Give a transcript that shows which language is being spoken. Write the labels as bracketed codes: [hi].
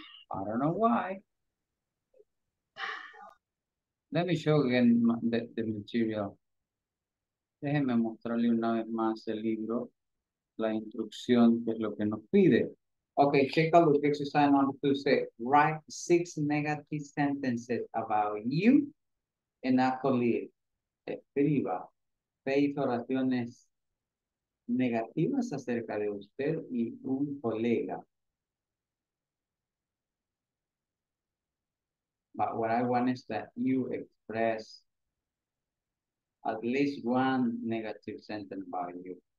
[en] I don't know why. Let me show again the material. [es] Déjenme mostrarle una vez más el libro, la instrucción, que es lo que nos pide. [en] Okay, check out the exercise I wanted to say. Write 6 negative sentences about you and a colleague. [es] Escriba 6 oraciones negativas acerca de usted y un colega. [en] But what I want is that you express at least one negative sentence about you.